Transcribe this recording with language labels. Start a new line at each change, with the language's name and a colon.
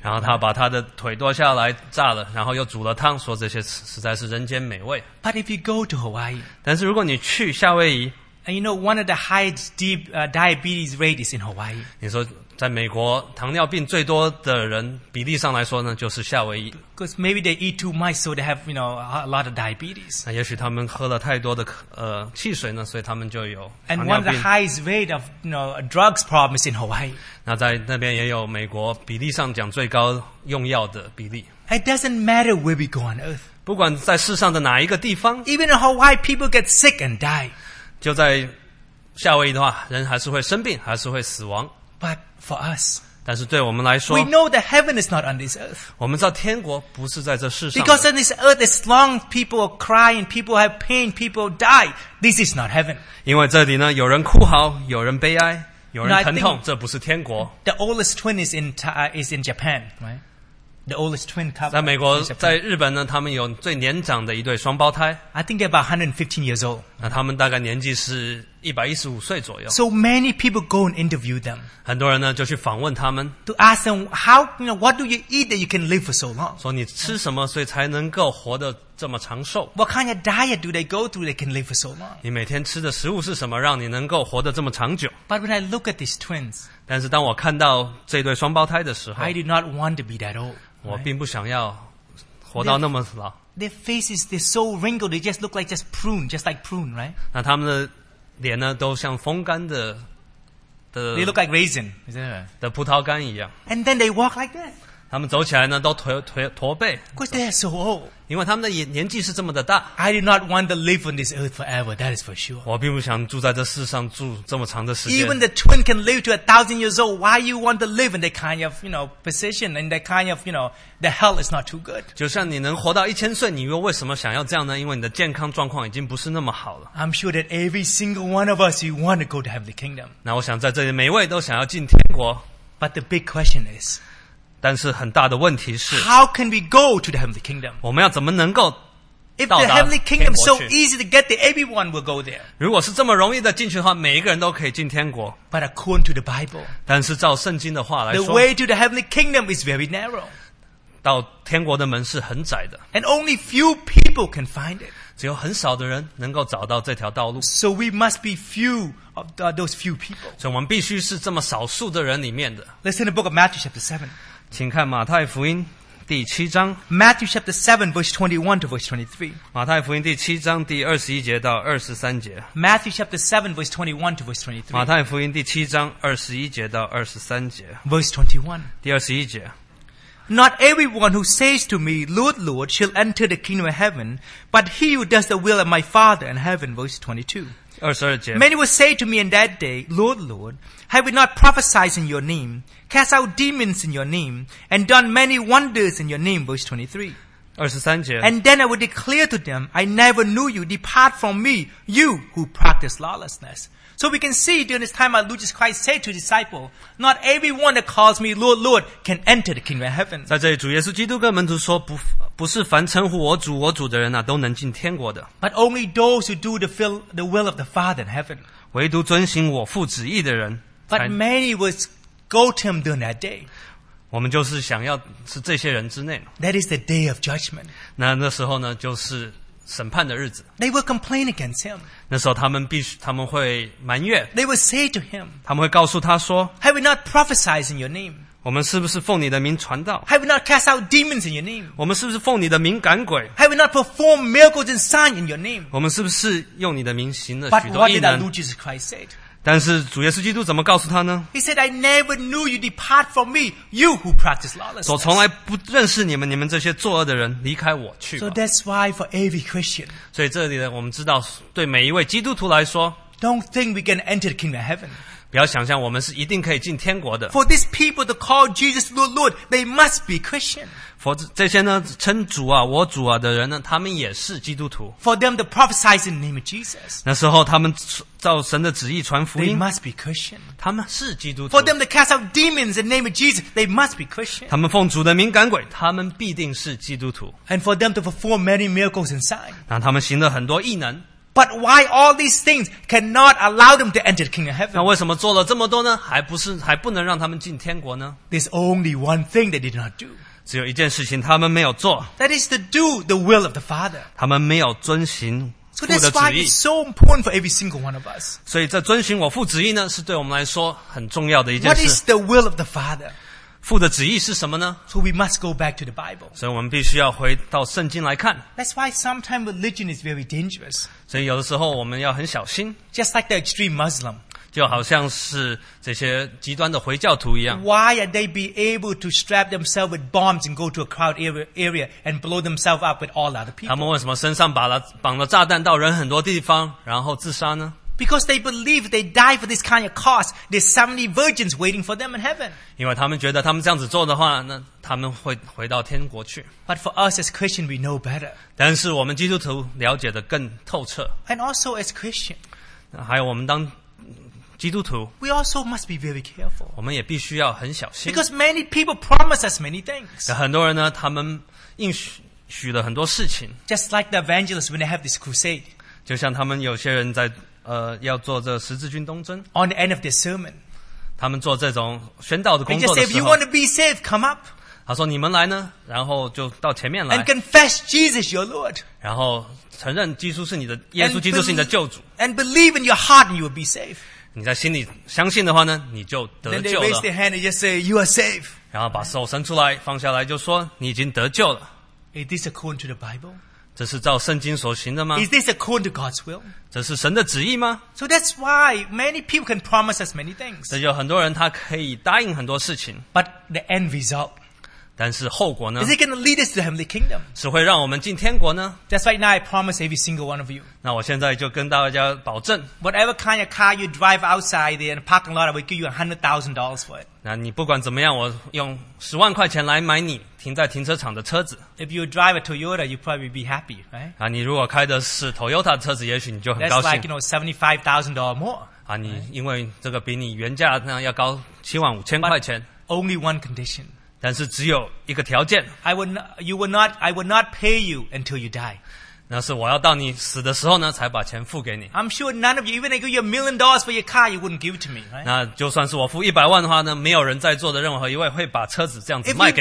Chinese: 然后他把他的腿剁下来炸了，然后又煮了汤，说这些实在是人间美味。
English: But if you go to Hawaii,
Chinese: 但是如果你去夏威夷
English: and you know one of the highest diabetes rate is in Hawaii.
Chinese: 你说在美国糖尿病最多的人比例上来说呢，就是夏威夷。
English: Because maybe they eat too much, so they have, you know, a lot of diabetes.
Chinese: 那也许他们喝了太多的汽水呢，所以他们就有糖尿病。
English: And one of the highest rate of, you know, drugs problems in Hawaii.
Chinese: 那在那边也有美国比例上讲最高用药的比例。
English: It doesn't matter where we go on earth.
Chinese: 不管在世上的哪一个地方。
English: Even in Hawaii, people get sick and die.
Chinese: 就在夏威夷的话，人还是会生病，还是会死亡。
English: But for us,
Chinese: 但是对我们来说
English: we know that heaven is not on this earth.
Chinese: 我们知道天国不是在这世上的。
English: Because on this earth, as long as people are crying, people have pain, people die, this is not heaven.
Chinese: 因为这里呢，有人哭嚎，有人悲哀，有人疼痛，这不是天国。
English: The oldest twin is in Japan, right? The oldest twin couple.
Chinese: 在美国，在日本呢，他们有最年长的一对双胞胎。
English: I think they're about 115 years old.
Chinese: 那他们大概年纪是。115岁左右。
English: So many people go and interview them.
Chinese: 很多人呢就去访问他们。
English: To ask them how, you know, what do you eat that you can live for so long?
Chinese: 说你吃什么所以才能够活得这么长寿。
English: What kind of diet do they go through that can live for so long?
Chinese: 你每天吃的食物是什么让你能够活得这么长久。
English: But when I look at these twins,
Chinese: 但是当我看到这对双胞胎的时候
English: I do not want to be that old.
Chinese: 我并不想要活到那么老。
English: Their faces, they're so wrinkled, they just look like just like prune, right?
Chinese: 那他们的脸呢都像风干的
English: They look like raisin, isn't it?
Chinese: 的葡萄干一样。
English: And then they walk like that.
Chinese: 他们走起来呢都驼背。
English: Because they are so old.
Chinese: 因为他们的年纪是这么的大。
English: I do not want to live on this earth forever, that is for sure.
Chinese: 我并不想住在这世上住这么长的时间。
English: Even the twin can live to 1,000 years old, why you want to live in that kind of, you know, position, in that kind of, you know, the health is not too good.
Chinese: 就像你能活到1,000岁，你又为什么想要这样呢？因为你的健康状况已经不是那么好了。
English: I'm sure that every single one of us, you want to go to heavenly kingdom.
Chinese: 那我想在这里每位都想要进天国。
English: But the big question is,
Chinese: 但是很大的问题是
English: How can we go to the heavenly kingdom?
Chinese: 我们要怎么能够
English: If the heavenly kingdom is so easy to get there, everyone will go there.
Chinese: 如果是这么容易的进去的话，每一个人都可以进天国。
English: But according to the Bible,
Chinese: 但是照圣经的话来说
English: the way to the heavenly kingdom is very narrow.
Chinese: 到天国的门是很窄的。
English: And only few people can find it.
Chinese: 只有很少的人能够找到这条道路。
English: So we must be few of those few people.
Chinese: 所以我们必须是这么少数的人里面的。
English: Listen to the book of Matthew chapter 7.
Chinese: 请看马太福音第七章
English: Matthew chapter 7 verse 21 to verse 23
Chinese: 马太福音第七章第二十一节到二十三节
English: Matthew chapter 7 verse 21 to verse 23
Chinese: 马太福音第七章二十一节到二十三节
English: Verse 21
Chinese: 第二十一节
English: Not everyone who says to me, Lord, Lord, shall enter the kingdom of heaven, but he who does the will of my Father in heaven, verse 22
Chinese: 二十二节
English: Many will say to me in that day, Lord, Lord, have we not prophesied in your name, cast out demons in your name, and done many wonders in your name? Verse 23.
Chinese: 二十三节
English: And then I will declare to them, I never knew you, depart from me, you who practice lawlessness. So we can see during this time, our Lord Jesus Christ said to his disciple, not everyone that calls me Lord, Lord can enter the kingdom of heaven.
Chinese: 在这里主耶稣基督跟门徒说不是凡称呼我主我主的人啊都能进天国的
English: But only those who do the will of the Father in heaven
Chinese: 唯独遵行我父旨意的人
English: But many would go to him during that day
Chinese: 我们就是想要是这些人之内
English: That is the day of judgment
Chinese: 那时候呢就是审判的日子
English: They will complain against him
Chinese: 那时候他们会埋怨
English: They will say to him
Chinese: 他们会告诉他说
English: Have we not prophesied in your name?
Chinese: 我们是不是奉你的名传道
English: Have we not cast out demons in your name?
Chinese: 我们是不是奉你的名赶鬼
English: Have we not performed miracles and signs in your name?
Chinese: 我们是不是用你的名行了许多异能
English: But what did our Lord Jesus Christ say?
Chinese: 但是主耶稣基督怎么告诉他呢
English: He said, I never knew you depart from me, you who practice lawlessness.
Chinese: 我从来不认识你们，你们这些作恶的人，离开我去吧。
English: So that's why for every Christian.
Chinese: 所以这里呢，我们知道，对每一位基督徒来说
English: Don't think we can enter the kingdom of heaven.
Chinese: 不要想象我们是一定可以进天国的。
English: For these people to call Jesus Lord, Lord, they must be Christian. For
Chinese: 这些呢称主啊我主啊的人呢他们也是基督徒。
English: For them to prophesy in the name of Jesus.
Chinese: 那时候他们照神的旨意传福音。
English: They must be Christian.
Chinese: 他们是基督徒。
English: For them to cast out demons in the name of Jesus, they must be Christian.
Chinese: 他们奉主的名赶鬼他们必定是基督徒。
English: And for them to perform many miracles and signs.
Chinese: 那他们行了很多异能。
English: But why all these things cannot allow them to enter the kingdom of heaven?
Chinese: 那为什么做了这么多呢？还不能让他们进天国呢
English: ？There's only one thing they did not do.
Chinese: 只有一件事情他们没有做。
English: That is to do the will of the Father.
Chinese: 他们没有遵行父的旨意。
English: So that's why it's so important for every single one of us.
Chinese: 所以这遵行我父旨意呢，是对我们来说很重要的一件事。
English: What is the will of the Father?
Chinese: 父的旨意是什么呢
English: ？So we must go back to the Bible.
Chinese: 所以我们必须要回到圣经来看。
English: That's why sometimes religion is very dangerous.
Chinese: 所以有的时候我们要很小心
English: Just like the extreme Muslim
Chinese: 就好像是这些极端的回教徒一样
English: Why are they be able to strap themselves with bombs and go to a crowd area and blow themselves up with all other people
Chinese: 他们为什么身上绑了炸弹到人很多地方然后自杀呢
English: Because they believe they die for this kind of cause there's 70 virgins waiting for them in heaven
Chinese: 因为他们觉得他们这样子做的话那他们会回到天国去。
English: But for us as Christians, we know better.
Chinese: 但是我们基督徒了解的更透彻。
English: And also as Christians,
Chinese: 还有我们当基督徒
English: ，we also must be very careful.
Chinese: 我们也必须要很小心。
English: Because many people promise us many things.
Chinese: 很多人呢，他们应许了很多事情。
English: Just like the evangelists when they have this crusade.
Chinese: 就像他们有些人在要做这十字军东征。
English: On the end of their sermon,
Chinese: 他们做这种宣道的工作的时候
English: ，they just say, "If you want to be saved, come up."
Chinese: 他说：“你们来呢，然后就到前面来。
English: And confess Jesus your Lord.
Chinese: 然后承认基督是你的耶稣，基督是你的救主。
English: And believe in your heart, and you will be saved.
Chinese: 你在心里相信的话呢，你就得救了。
English: Then they raise their hand and just say, "You are saved."
Chinese: 然后把手伸出来，放下来，就说你已经得救了。
English: Is this according to the Bible?
Chinese: 这是照圣经所行的吗
English: ？Is this according to God's will?
Chinese: 这是神的旨意吗
English: ？So that's why many people can promise us many things.
Chinese: 这就很多人他可以答应很多事情。
English: But the end result.
Chinese: 但是后果呢
English: Is it going to lead us to the heavenly kingdom?
Chinese: 是会让我们进天国呢
English: That's right now I promise every single one of you.
Chinese: 那我现在就跟大家保证
English: Whatever kind of car you drive outside in a parking lot, I will give you $100,000 for it.
Chinese: 那你不管怎么样我用十万块钱来买你停在停车场的车子
English: If you drive a Toyota, you probably be happy, right?
Chinese: 啊你如果开的是 Toyota 的车子也许你就很高兴
English: That's like, you know, $75,000 more.
Chinese: 啊你因为这个比你原价那样要高75,000块钱
English: But only one condition.
Chinese: 但是只有一个条件。
English: I will not pay you until you die.
Chinese: 那是我要到你死的时候呢，才把钱付给你。
English: I'm sure none of you, even if I give you $1 million for your car, you wouldn't give to me.、Right?
Chinese: 那就算是我付100万的话呢，没有人在座的任何一位会把车子这样子卖给